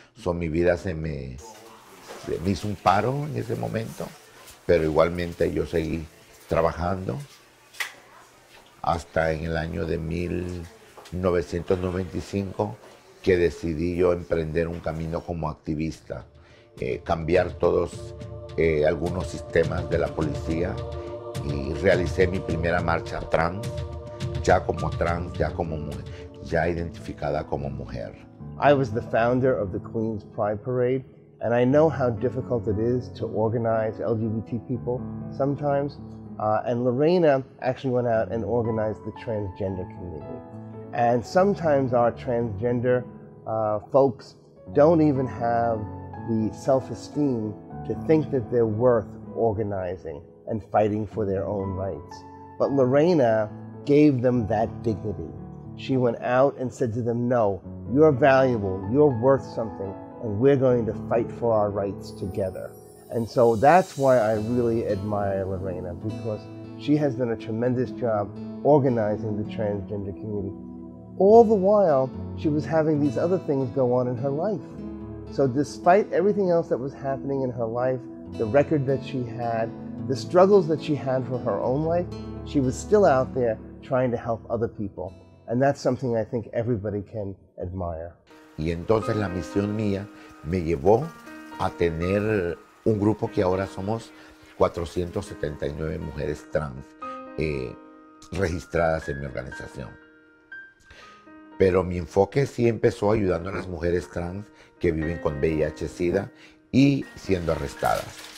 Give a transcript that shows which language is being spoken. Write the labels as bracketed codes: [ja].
[es] So, mi vida se me hizo un paro en ese momento, pero igualmente yo seguí trabajando hasta en el año de 1995 que decidí yo emprender un camino como activista, cambiar todos algunos sistemas de la policía. Y realicé mi primera marcha trans, ya como mujer, ya identificada como mujer. [en] I was the founder of the Queens Pride Parade, and I know how difficult it is to organize LGBT people sometimes. And Lorena actually went out and organized the transgender community. And sometimes our transgender folks don't even have the self-esteem to think that they're worth organizing and fighting for their own rights. But Lorena gave them that dignity. She went out and said to them, no, you're valuable, you're worth something, and we're going to fight for our rights together. And so that's why I really admire Lorena, because she has done a tremendous job organizing the transgender community. All the while, she was having these other things go on in her life. So despite everything else that was happening in her life, the record that she had, the struggles that she had for her own life, she was still out there trying to help other people. And that's something I think everybody can admire. [es] Y entonces la misión mía me llevó a tener un grupo que ahora somos 479 mujeres trans registradas en mi organización. Pero mi enfoque sí empezó ayudando a las mujeres trans que viven con VIH-Sida y siendo arrestadas.